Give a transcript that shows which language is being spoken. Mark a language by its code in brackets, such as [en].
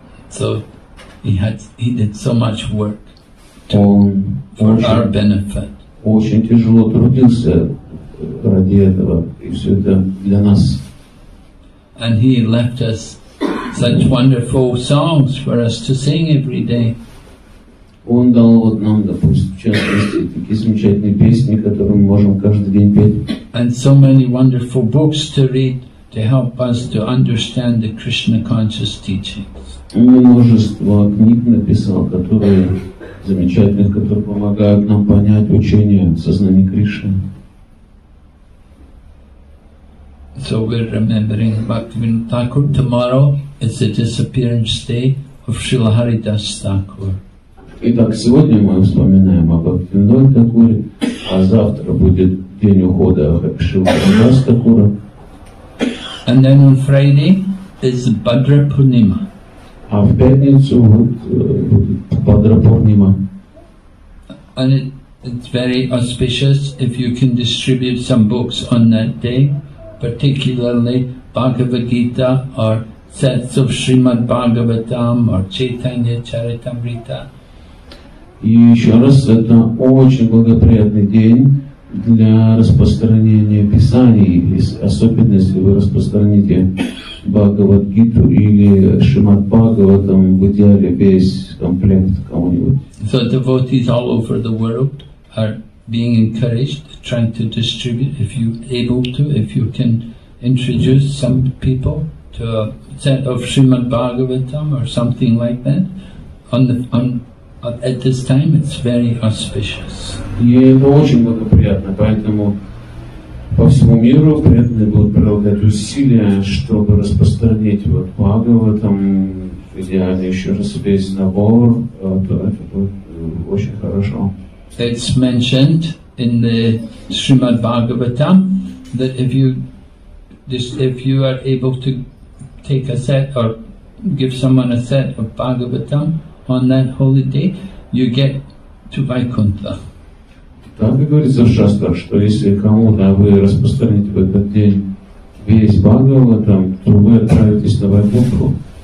[en] So he did so much work to, for our benefit. [ru] Очень тяжело трудился ради этого, и все это для нас. [en] And he left us such wonderful songs for us to sing every day. [ru] Он дал вот нам, допустим, в частности, такие замечательные песни, которые мы можем каждый день петь. [en] And so many wonderful books to read to help us to understand the Krishna conscious teachings. [ru] Он множество книг написал, которые замечательных, которые помогают нам понять учение сознания Кришны. [en] So we're remembering Bhaktivinoda Thakur. Tomorrow is the disappearance day of Srila Haridasa Thakur. [ru] Итак, сегодня мы вспоминаем о Бхактивинода Такуре, а завтра будет день ухода Шрила Харидаса Такура. [en] And then on Friday is Бхадра Пурнима. [ru] А в пятницу будет Бхадра Пурнима. [en] And it's very auspicious if you can distribute some books on that day. Particularly Bhagavad Gita or sets of Srimad Bhagavatam or Chaitanya Charitamrita. [ru] И еще раз, это очень благоприятный день для распространения Писаний, особенно если вы распространите Бхагавад Гиту или Шримад Бхагаватам, в идеале весь комплект кому-нибудь. [en] So devotees all over the world are being encouraged, trying to distribute, if you able to, if you can introduce some people to a set of Srimad Bhagavatam or something like that, at this time it's very auspicious. [ru] Это очень благоприятно, поэтому по всему миру преданные будут прилагать усилия, чтобы распространить вот Бхагаватам, идеально еще раз весь набор, то это будет очень хорошо. [en] It's mentioned in the Srimad Bhagavatam that if you are able to take a set or give someone a set of Bhagavatam on that holy day, you get to Vaikuntha. [ru] Там говорится в шастрах, что если кому-то вы распространите в этот день весь Бхагаватам, то вы отправитесь на Вайкунтху.